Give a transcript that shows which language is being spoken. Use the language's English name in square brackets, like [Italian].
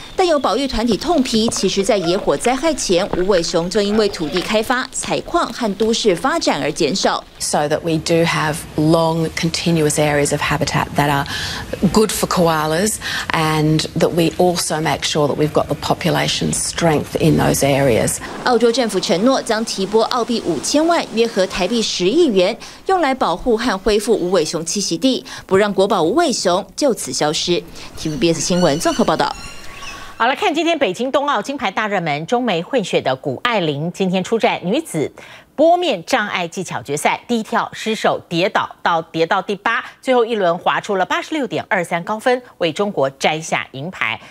[Chinese] 但有保育团体痛批，其实在野火灾害前，无尾熊正因为土地开发、采矿和都市发展而减少。 [English] So that we do have long continuous areas of habitat that are good for koalas, and that we also make sure that we've got the population strength in those areas. [Chinese] 澳洲政府承诺将提拨澳币5000万，约合台币10亿元，用来保护和恢复无尾熊栖息地，不让国宝无尾熊就此消失。 TVBS 新闻综合报道。好，来看今天北京冬奥金牌大热门中美混血的谷爱凌，今天出战女子波面障碍技巧决赛，低跳失手跌倒，到跌到第八，最后一轮滑出了86.23高分，为中国摘下银牌。